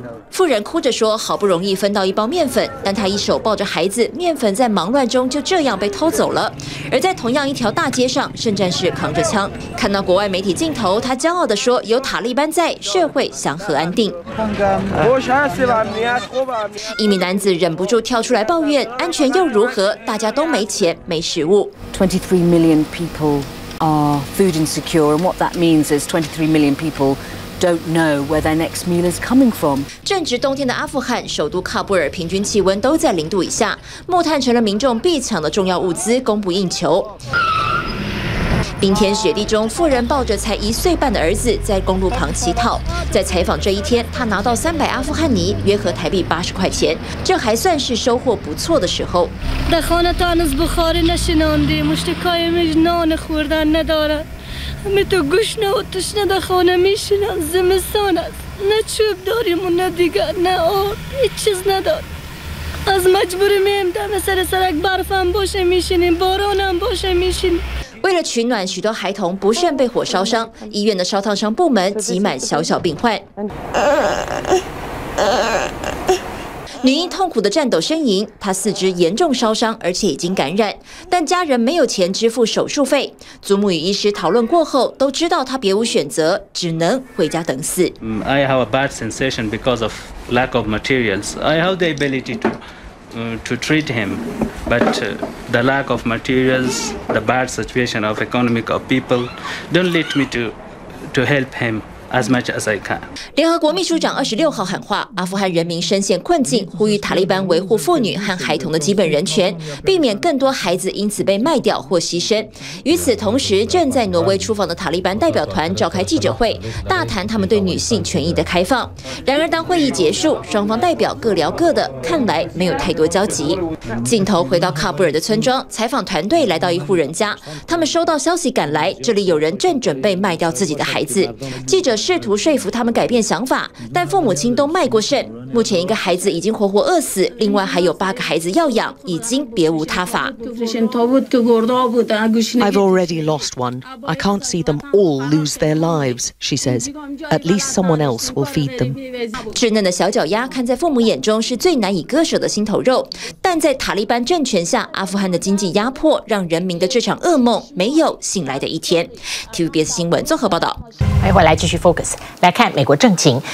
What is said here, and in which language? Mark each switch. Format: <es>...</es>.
<zh>妇人哭着说，好不容易分到一包面粉，但她一手抱着孩子，面粉在忙乱中就这样被偷走了。而在同样一条大街上，圣战士扛着枪，看到国外媒体镜头，她骄傲地说，有塔利班在，社会祥和安定。一名男子忍不住跳出来抱怨：“安全又如何？大家都没钱，没食物。”</zh> <en>23 million people are food insecure, and what that means is 23 million people. Don't know where their next meal is coming from.</en> <zh>正值冬天的阿富汗，首都喀布尔平均气温都在零度以下，木炭成了民众必抢的重要物资，供不应求。冰天雪地中，妇人抱着才一岁半的儿子在公路旁乞讨。在采访这一天，他拿到300阿富汗尼，约合台币80块钱，这还算是收获不错的时候。为了取暖，许多孩童不慎被火烧伤，医院的烧烫伤部门挤满小小病患。女婴痛苦的颤抖呻吟，她四肢严重烧伤，而且已经感染，但家人没有钱支付手术费。祖母与医师讨论过后，都知道她别无选择，只能回家等死。</zh> <en>I have a bad sensation because of lack of materials. I have the ability to treat him, but the lack of materials, the bad situation of economic of people, don't lead me to help him. As much as I can.</en> <zh>联合国秘书长26号喊话，阿富汗人民深陷困境，呼吁塔利班维护妇女和孩童的基本人权，避免更多孩子因此被卖掉或牺牲。与此同时，正在挪威出访的塔利班代表团召开记者会，大谈他们对女性权益的开放。然而，当会议结束，双方代表各聊各的，看来没有太多交集。镜头回到喀布尔的村庄，采访团队来到一户人家，他们收到消息赶来，这里有人正准备卖掉自己的孩子。记者试图说服他们改变想法，但父母亲都卖过肾，目前一个孩子已经活活饿死，另外还有8个孩子要养，已经别无他法。</zh> <en>I've already lost one. I can't see them all lose their lives, she says. At least someone else will feed them.</en> <zh>稚嫩的小脚丫看在父母眼中是最难以割舍的心头肉，但在塔利班政权下，阿富汗的经济压迫让人民的这场噩梦没有醒来的一天。 TVBS 新闻综合报道。欢迎回来继续Focus， 来看美国政情。</zh>